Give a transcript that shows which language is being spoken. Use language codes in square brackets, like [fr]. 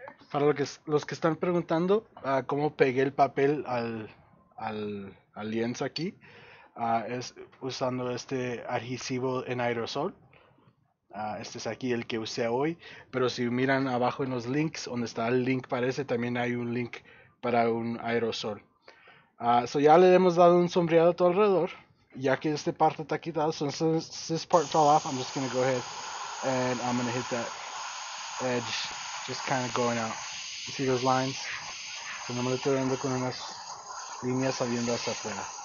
[es] Para los que están preguntando cómo pegué el papel al lienzo aquí, es usando este adhesivo en aerosol. Este es aquí el que usé hoy. Pero si miran abajo en los links, donde está el link parece, también hay un link para un aerosol. So ya le hemos dado un sombreado todo alrededor. Ya que esta parte está quitada, [en] so since this part fell off, I'm just going to go ahead and I'm going to hit that edge. Just kind of going out. You see those lines? [es] So no me estoy dando con unas líneas saliendo hacia afuera.